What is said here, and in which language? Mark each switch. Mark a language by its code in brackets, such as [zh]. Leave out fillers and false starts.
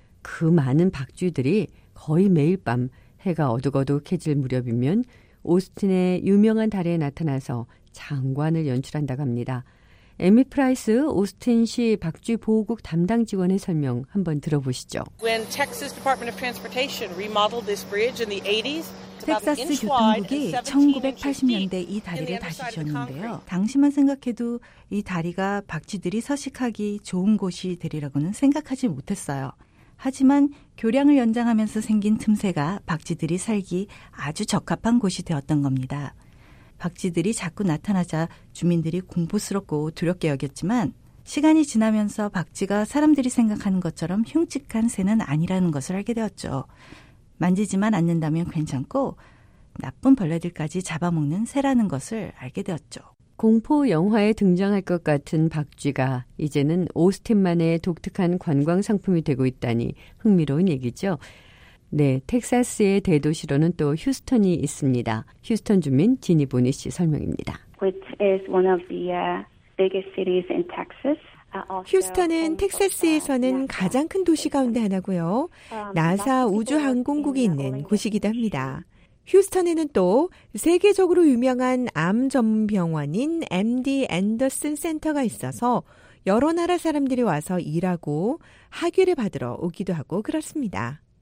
[ko] 그 많은 박쥐들이 거의 매일 밤 해가 어둑어둑해질 무렵이면 오스틴의 유명한 다리에 나타나서 장관을 연출한다고 합니다. 에미 프라이스 오스틴시 박쥐 보호국 담당 직원의 설명 한번 들어보시죠. [en] When Texas Department of Transportation remodeled this bridge in the 80s, [ko] 텍사스 교통국이 1980년대 이 다리를 다시 지었는데요. 당시만 생각해도 이 다리가 박쥐들이 서식하기 좋은 곳이 되리라고는 생각하지 못했어요. 하지만 교량을 연장하면서 생긴 틈새가 박쥐들이 살기 아주 적합한 곳이 되었던 겁니다. 박쥐들이 자꾸 나타나자 주민들이 공포스럽고 두렵게 여겼지만 시간이 지나면서 박쥐가 사람들이 생각하는 것처럼 흉측한 새는 아니라는 것을 알게 되었죠. 만지지만 않는다면 괜찮고 나쁜 벌레들까지 잡아먹는 새라는 것을 알게 되었죠. 공포 영화에 등장할 것 같은 박쥐가 이제는 오스틴만의 독특한 관광 상품이 되고 있다니 흥미로운 얘기죠. 네, 텍사스의 대도시로는 또 휴스턴이 있습니다. 휴스턴 주민 지니 보니 씨 설명입니다. [en] Which is one of the biggest cities in Texas. [ko] 휴스턴은 텍사스에서는 가장 큰 도시 가운데 하나고요. 나사 우주항공국이 있는 곳이기도 합니다. 휴스턴에는 또 세계적으로 유명한 암 전문 병원인 MD 앤더슨 센터가 있어서 여러 나라 사람들이 와서 일하고 학위를 받으러 오기도 하고 그렇습니다.